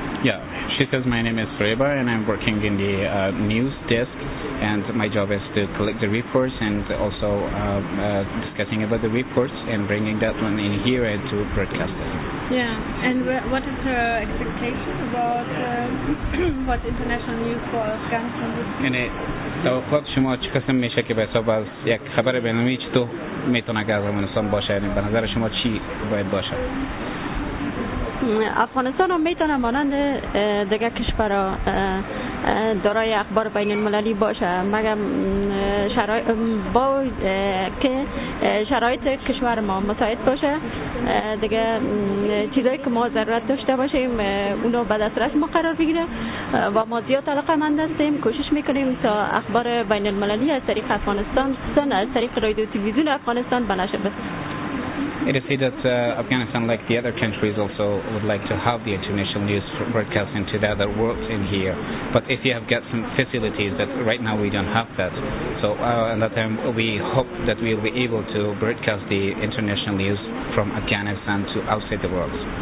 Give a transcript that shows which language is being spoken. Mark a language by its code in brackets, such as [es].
[en] Yeah, she says my name is Reba and I'm working in the news desk and my job is to collect the reports and also discussing about the reports and bringing that one in here and to broadcast it. Yeah, and what is her expectation about what international news for Afghanistan would be? [fa] یعنی توقعات شما چی قسم میشه که به حساب از یک خبر بینلمللی چی تو میتونه که از افغانستان باشه یعنی به نظر شما چی باید باشه؟ افغانستان رو میتونه مانند دیگه کشورها دارای اخبار بین المللی باشه مگر شرایط با که شرایط کشور ما مساعد باشه دیگه چیزایی که ما ضرورت داشته باشیم اونو به دسترس ما قرار بگیره و ما زیاد علاقه مند هستیم کوشش میکنیم تا اخبار بین المللی از طریق افغانستان از طریق رادیو تلویزیون افغانستان بنشر بس [en] It is said that Afghanistan, like the other countries, also would like to have the international news broadcast into the other world in here. But if you have got some facilities that right now we don't have that, so at that time we hope that we will be able to broadcast the international news from Afghanistan to outside the world.